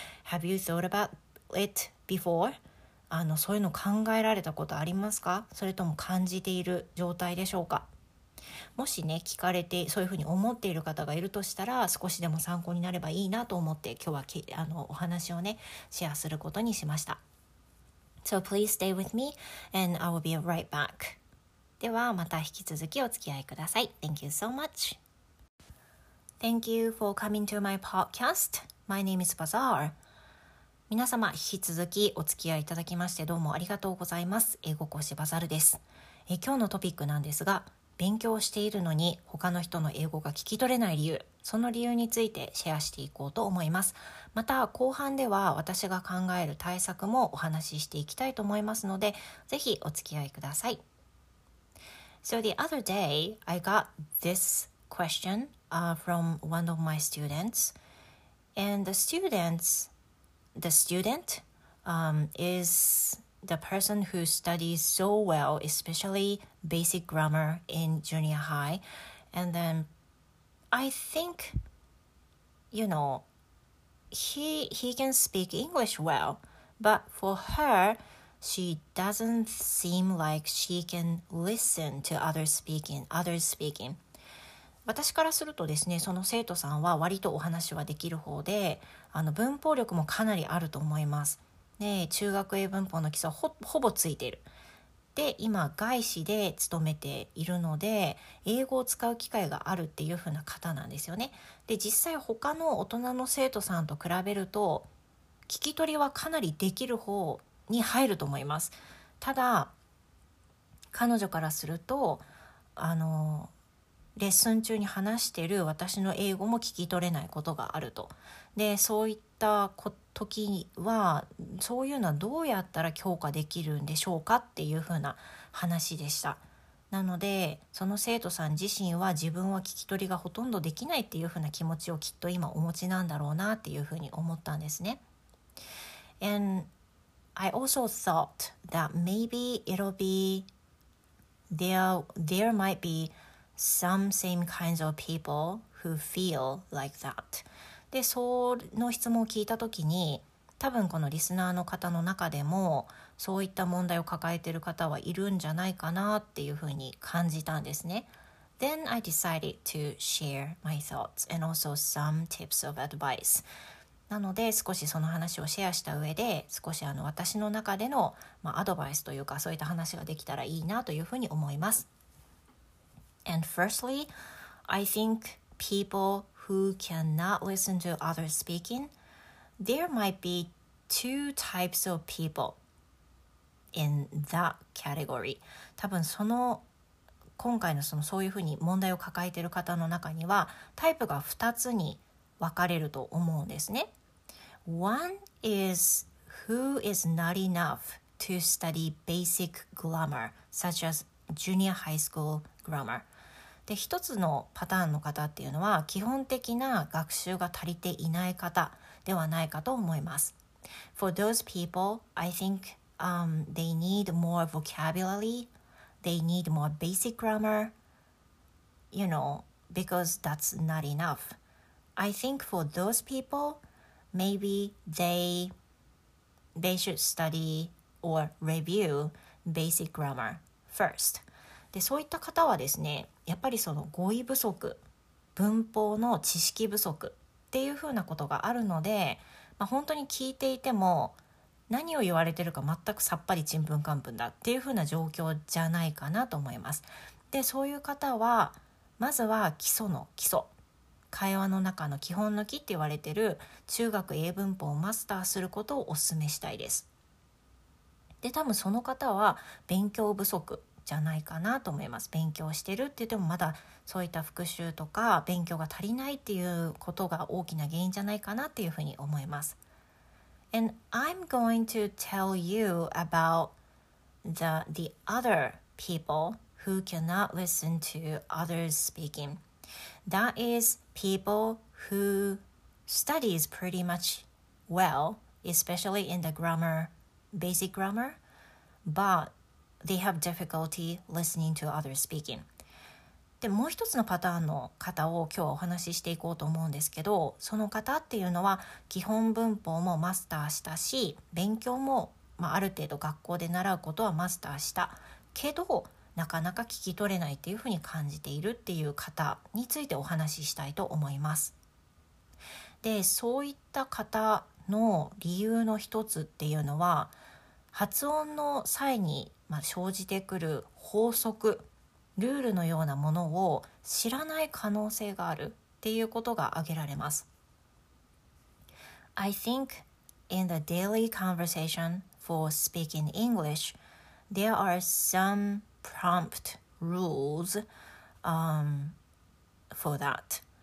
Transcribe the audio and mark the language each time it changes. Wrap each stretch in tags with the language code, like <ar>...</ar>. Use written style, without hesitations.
<en>Have you thought about it before?</en> <ja>あの、そういうの考えられたことありますか？それとも感じている状態でしょうか？もしね、聞かれてそういうふうに思っている方がいるとしたら、少しでも参考になればいいなと思って今日はあのお話をね、シェアすることにしました。</ja> <en>So please stay with me and I will be right back.</en> <ja>ではまた引き続きお付き合いください。</ja> <en>Thank you so much. Thank you for coming to my podcast. My name is Bazaar.</en> <ja>皆様引き続きお付き合いいただきましてどうもありがとうございます。英語講師バザルです。今日のトピックなんですが、勉強しているのに他の人の英語が聞き取れない理由、その理由についてシェアしていこうと思います。また後半では私が考える対策もお話ししていきたいと思いますので、ぜひお付き合いください。</ja> <en>So the other day, I got this question from one of my students. And the student is the person who studies so well, especially basic grammar in junior high. And then I think, you know, he can speak English well, but for her,She doesn't seem like she can listen to others speaking.</en> <ja>私からするとですね、その生徒さんは割とお話はできる方で、あの文法力もかなりあると思います。ね、中学英文法の基礎ほぼついている。で今外資で勤めているので英語を使う機会があるっていう風な方なんですよね。で実際他の大人の生徒さんと比べると聞き取りはかなりできる方に入ると思います。ただ彼女からするとレッスン中に話している私の英語も聞き取れないことがあると。でそういった時はそういうのはどうやったら強化できるんでしょうかっていうふうな話でした。なのでその生徒さん自身は自分は聞き取りがほとんどできないっていうふうな気持ちをきっと今お持ちなんだろうなっていうふうに思ったんですね。</ja> <en>And I also thought that maybe it'll be there might be some same kinds of people who feel like that。</en> <ja>で、その質問を聞いた時に、多分このリスナーの方の中でもそういった問題を抱えている方はいるんじゃないかなっていうふうに感じたんですね。</ja> <en>Then I decided to share my thoughts and also some tips of advice。</en> <ja>なので少しその話をシェアした上で少し私の中での、まあ、アドバイスというかそういった話ができたらいいなというふうに思います。</ja> <en>And firstly, I think peoplewho cannot listen to others speaking, there might be two types of people in that category.</en> <ja>多分その今回のそのそういうふうに問題を抱えている方の中にはタイプが2つに分かれると思うんですね。</ja> <en>One is who is not enough to study basic grammar, such as junior high school grammar.</en> <ja>で一つのパターンの方っていうのは基本的な学習が足りていない方ではないかと思います。</ja> <en>For those people, I think, they need more vocabulary, they need more basic grammar, you know, because that's not enough. I think for those people, maybe they should study or review basic grammar first.</en> <ja>でそういった方はですねやっぱりその語彙不足文法の知識不足っていうふうなことがあるので、まあ、本当に聞いていても何を言われてるか全くさっぱりちんぷんかんぷんだっていうふうな状況じゃないかなと思います。でそういう方はまずは基礎の基礎会話の中の基本の基って言われてる中学英文法をマスターすることをお勧めしたいです。で多分その方は勉強不足じゃないかなと思います。勉強してるって言ってもまだそういった復習とか勉強が足りないっていうことが大きな原因じゃないかなっていうふうに思います。</ja> <en>And I'm going to tell you about the other people who cannot listen to others speaking. That is people who studies pretty much well, especially in the grammar, basic grammar, butthey have difficulty listening to others speaking.</en> <ja>で、もう一つのパターンの方を今日はお話ししていこうと思うんですけど、その方っていうのは基本文法もマスターしたし、勉強も、まあ、ある程度学校で習うことはマスターしたけど、なかなか聞き取れないっていうふうに感じているっていう方についてお話ししたいと思います。で、そういった方の理由の一つっていうのは、発音の際にまあ、生じてくる法則、ルールのようなものを知らない可能性があるっていうことが挙げられます。</ja> <en>I think in the daily conversation for speaking English, there are some prompt rules, for that.</en>